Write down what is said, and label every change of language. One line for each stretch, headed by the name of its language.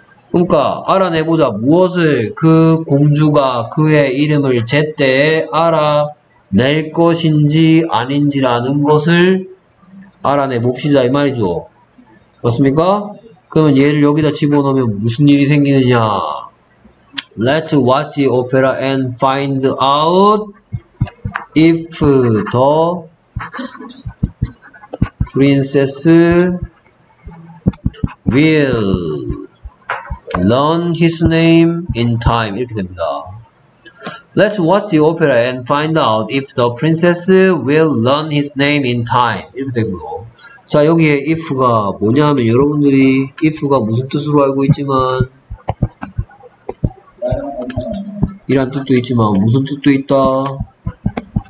Korean: 그러니까 알아내보자. 무엇을 그 공주가 그의 이름을 제때에 알아낼 것인지 아닌지라는 것을 알아내봅시다, 이 말이죠. 맞습니까? 그러면 얘를 여기다 집어넣으면 무슨 일이 생기느냐.
English: Let's watch the opera and find out if the princess will learn his name in time.
Korean: 이렇게 됩니다.
English: Let's watch the opera and find out if the princess will learn his name in time.
Korean: 이렇게 되고요. 자, 여기에 if가 뭐냐면 여러분들이 if가 무슨 뜻으로 알고 있지만 이런 뜻도 있지만 무슨 뜻도 있다.